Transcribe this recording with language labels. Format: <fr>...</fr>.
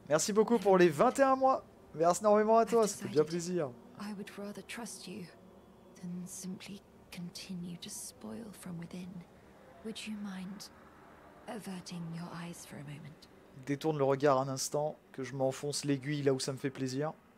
<fr>Merci beaucoup pour les 21 mois. Merci énormément à toi, ça fait bien plaisir.</fr> <en>I would rather trust you than simply continue to spoil from within. Would you mind averting your eyes for a moment?</en> <fr>Détourne le regard un instant, que je m'enfonce l'aiguille là où ça me fait plaisir.</fr>